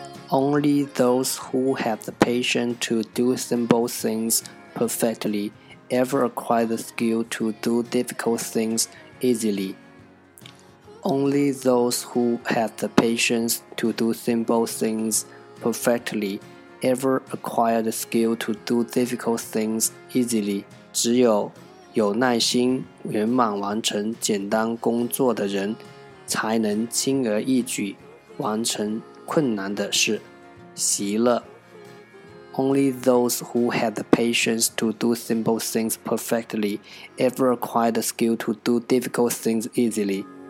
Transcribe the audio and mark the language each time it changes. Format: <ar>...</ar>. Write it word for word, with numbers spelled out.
<en>Only those who have the patience to do simple things perfectly ever acquire the skill to do difficult things easily. Only those who have the patience to do simple things perfectly ever acquire the skill to do difficult things easily.</en> <zh>只有有耐心圆满完成简单工作的人，才能轻而易举完成困难的事。席勒。</zh> <en>Only those who have the patience to do simple things perfectly ever acquire the skill to do difficult things easily.</en>